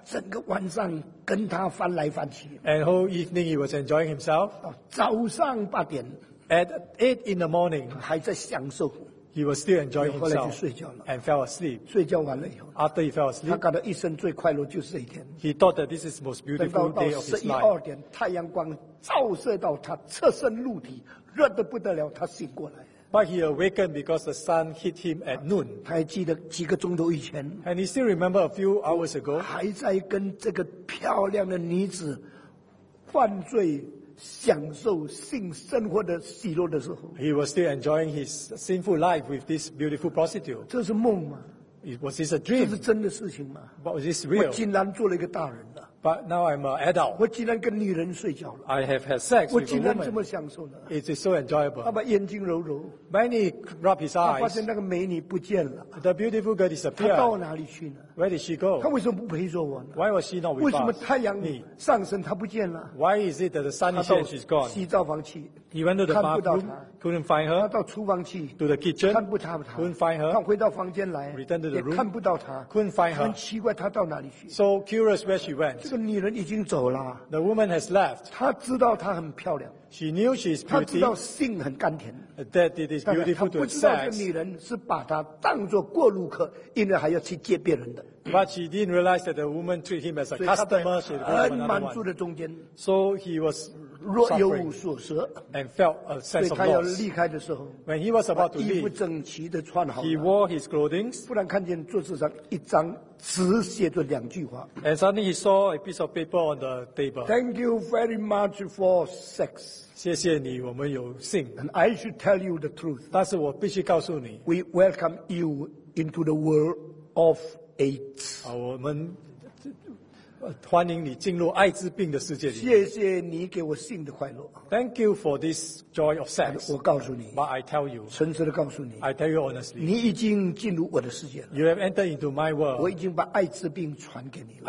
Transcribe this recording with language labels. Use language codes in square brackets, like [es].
[zh] 整个晚上跟他翻来翻去 [en] and whole evening he was enjoying himself [zh] 早上八点 [en] at 8 in the morning [zh] 还在享受 [en] he was still enjoying himself [zh] 后来就睡觉了 [en] and fell asleep [zh] 睡觉完了以后 [en] after he fell asleep [zh] 他感到一生最快乐就是这一天 [en] he thought that this is the most beautiful day of his life [zh] 等到十一二点太阳光照射到他侧身露体热得不得了，他醒过来。 [en] But he awakened because the sun hit him at noon. [zh] 他还记得几个钟头以前。 [en] And he still remembered a few hours ago. [zh] 还在跟这个漂亮的女子犯罪、享受性生活的喜乐的时候。 [en] He was still enjoying his sinful life with this beautiful prostitute. [zh] 这是梦吗 [en] ？Was this a dream? [zh] 这是真的事情吗 [en] ？But was this real? [zh] 我竟然做了一个大人。 [en] But now I'm an adult. [zh] 我竟然跟女人睡觉了。 [en] I have had sex with a woman. [zh] 我竟然这么享受了。 [en] It is so enjoyable. [zh] 他把眼睛揉揉。 [en] Many rub his eyes. [zh] 他发现那个美女不见了。 [en] The beautiful girl disappeared. [zh] 她到哪里去了 [en] ？Where did she go? [zh] 她为什么不陪着我呢 [en] ？Why was she not with us? [zh] 为什么太阳上升她不见了 [en] ？Why is it that the sun is gone? [zh] 她到洗澡房去。 [en] He went to the bathroom. Couldn't find her. [zh] 她到厨房去。 [en] To the kitchen. [zh] 看不到她。 [en] Couldn't find her. [zh] 她回到房间来。 [en] Returned to the room. [zh] 也看不到她。 [en] Couldn't find her. [zh] 很奇怪，她到哪里去 [en] ？So curious where she went. [zh] 这个女人已经走了。 [en] The woman has left. [zh] 她知道她很漂亮。 [en] She knew she is pretty. [zh] 她知道性很甘甜。 [en] That it is beautiful to sex. [zh] 她不知道这个女人是把她当作过路客，因为还要去接别人的。 [en] But she didn't realize that the woman treat him as a customer. [zh] 所以她在很满足的中间。 [en] So he was [zh] 若有所失。 [en] And felt a sense of loss. [zh] 所以她要离开的时候。 [en] When he was about to leave. [zh] 衣服整齐的穿好。 [en] He wore his clothing. [zh] 不然看见桌子上一张。只写着两句话。 [en] And suddenly he saw a piece of paper on the table. Thank you very much for sex. [zh] 谢谢你，我们有性。 [en] And I should tell you the truth. [zh] 但是我必须告诉你。 [en] We welcome you into the world of AIDS. [zh] 我们欢迎你进入艾滋病的世界里。谢谢你给我性的快乐。 [en] Thank you for this joy of sex. [zh] 我告诉你。 [en] But I tell you. [zh] 诚实的告诉你。 [en] I tell you honestly. [zh] 你已经进入我的世界了。 [en] You have entered into my world. [zh] 我已经把艾滋病传给你了。